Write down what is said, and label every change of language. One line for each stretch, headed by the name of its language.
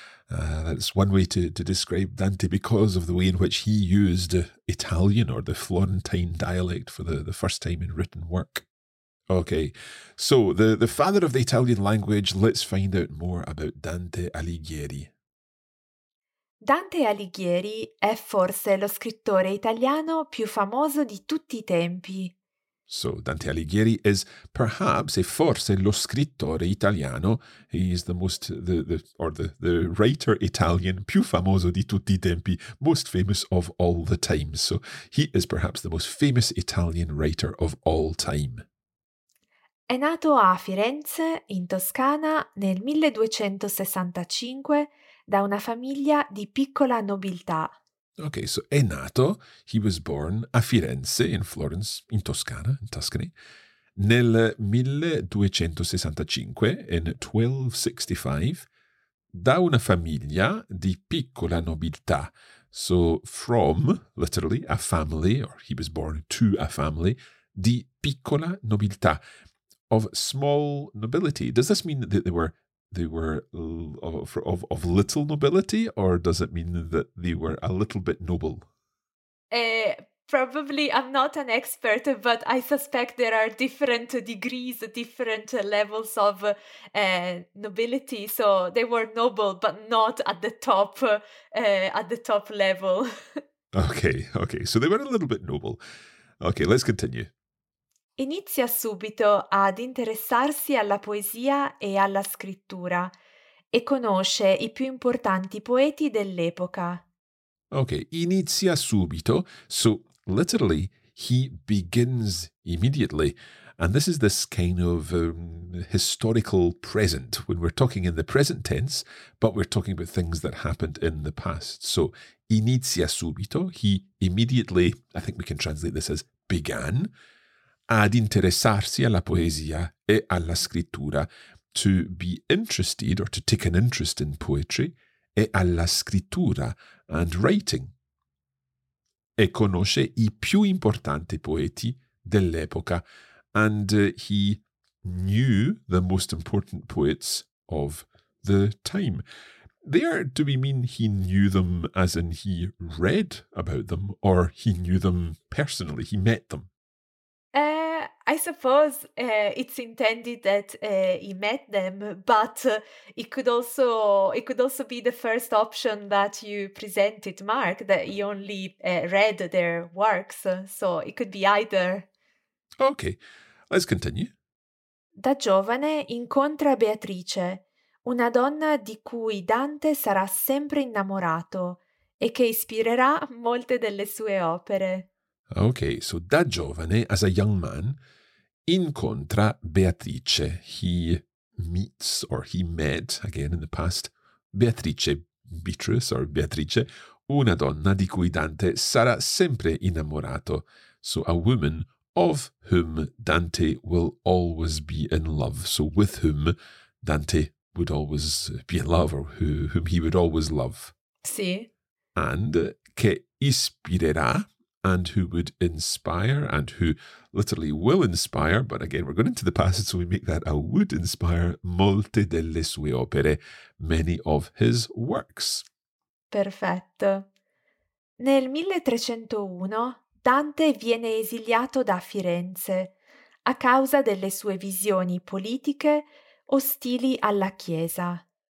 English: That's one way to describe Dante, because of the way in which he used Italian or the Florentine dialect for the first time in written work. Okay, so the father of the Italian language, let's find out more about Dante Alighieri.
Italian: Dante Alighieri è forse lo scrittore italiano più famoso di tutti i tempi.
English: So Dante Alighieri is perhaps,
Italian: e forse, lo scrittore italiano.
English: He is the writer Italian
Italian: più famoso di tutti i tempi,
English: most famous of all the times. So he is perhaps the most famous Italian writer of all time.
Italian: È nato a Firenze, in Toscana, nel 1265 da una famiglia di piccola nobiltà.
English: Okay, so
Italian: è nato,
English: he was born
Italian: a Firenze,
English: in Florence,
Italian: in Toscana,
English: in Tuscany,
Italian: nel 1265,
English: in 1265,
Italian: da una famiglia di piccola nobiltà.
English: So from, literally, a family, or he was born to a family,
Italian: di piccola nobiltà,
English: of small nobility. Does this mean that they were of little nobility, or does it mean that they were a little bit noble? Probably, I'm not an expert, but I suspect there are different degrees, different levels of nobility. So they were noble, but not at the top, at the top level. Okay. So they were a little bit noble. Okay, let's continue.
Italian: Inizia subito ad interessarsi alla poesia e alla scrittura e conosce i più importanti poeti dell'epoca. Okay, inizia subito.
English: So, literally, he begins immediately. And this is this kind of historical present, when we're talking in the present tense, but we're talking about things that happened in the past. So,
Italian: inizia subito.
English: He immediately, I think we can translate this as began,
Italian: ad interessarsi alla poesia e alla scrittura,
English: to be interested or to take an interest in poetry,
Italian: e alla scrittura
English: and writing.
Italian: e conosce i più importanti poeti dell'epoca.
English: And he knew the most important poets of the time. There, do we mean he knew them as in he read about them, or he knew them personally, he met them? I suppose it's intended that he met them, but it could also be the first option that you presented, Mark, that he only read their works. So it could be either. Okay, let's continue.
Italian: Da giovane incontra Beatrice, una donna di cui Dante sarà sempre innamorato e che ispirerà molte delle sue opere.
English: Okay, so
Italian: da giovane,
English: as a young man,
Italian: incontra Beatrice.
English: He meets, or he met, again in the past, Beatrice, Beatrice, or Beatrice,
Italian: una donna di cui Dante sarà sempre innamorato.
English: So a woman of whom Dante will always be in love. So with whom Dante would always be in love, or whom he would always love.
Italian: Sì.
English: And
Italian: che ispirerà.
English: And who would inspire, and who literally will inspire, but again, we're going into the past, so we make that a would inspire,
Italian: molte delle sue opere,
English: many of his works.
Italian: Perfetto. Nel 1301, Dante viene esiliato da Firenze a causa delle sue visioni politiche ostili alla Chiesa.